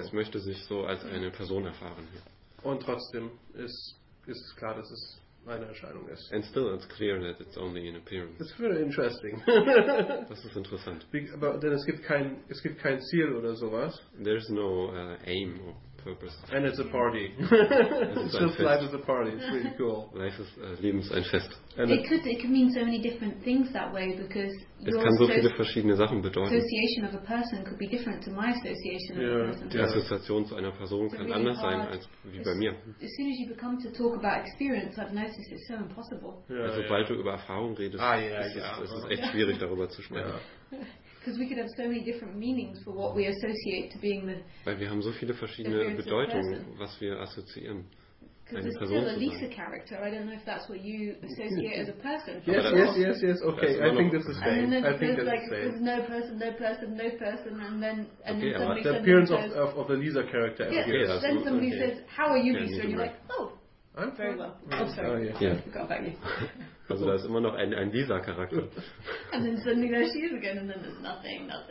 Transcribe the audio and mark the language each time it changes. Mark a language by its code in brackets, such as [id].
[de] Es möchte sich so als eine Person erfahren hier. Und trotzdem ist es klar, dass es eine Erscheinung ist. [en] And still it's clear that it's only an appearance. It's very interesting. [de] Das ist interessant. Denn es gibt kein Ziel oder sowas. [en] There's no aim or purpose. And it's a party. It's just life is a party. It's really cool. Life is [de] Leben ist ein Fest. [en] It could mean so many different things that way because [de] es kann so viele verschiedene Sachen bedeuten. [en] Association of a person could be different to my association of a person. [de] Die Assoziation zu einer Person kann really anders sein als wie bei mir. [en] As soon as you become to talk about experience, I've noticed it's so impossible. [de] Sobald du über Erfahrung redest, ist es echt schwierig darüber zu sprechen. [en] Yeah. Because we could have so many different meanings for what we associate to being the. Weil wir haben so viele verschiedene Bedeutungen, was wir assoziieren. Because it's still a Lisa character. I don't know if that's what you associate as a person. Yes. Okay. I think this is same. There's no person, and then The appearance of the Lisa character. Yes. Okay, then somebody says, "How are you, Lisa?" And you're like, "Oh, I'm very well. I'm sorry. I forgot about you." [de] Also da ist immer noch ein dieser Charakter. [en] And then suddenly there she is again and then there's nothing.